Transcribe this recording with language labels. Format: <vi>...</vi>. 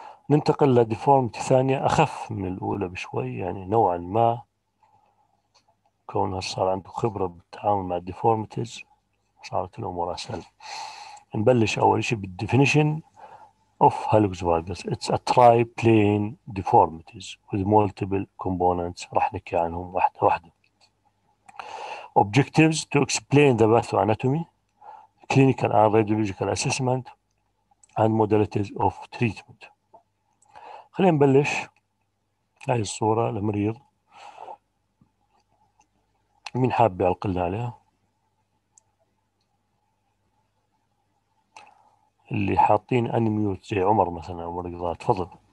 <ar>ننتقل لديفورمتي ثانية أخف من الأولى بشوي, يعني نوعا ما كونها صار عنده خبرة بالتعامل مع الديفورمتيز صارت الأمور أسهل. نبلش أول شيء بالديفينيشن of هالوكس فالجس.</ar> <en>It's a triplane deformities with multiple components,</en> <ar>راح نحكي عنهم واحدة واحدة.</ar> <en>Objectives to explain the pathoanatomy, clinical and radiological assessment and modalities of treatment.</en> <ar>خلينا نبلش. هاي الصورة للمريض, مين حاب يعلقنا عليها؟ اللي حاطين انميوت زي عمر مثلا او رضا, تفضل.</ar>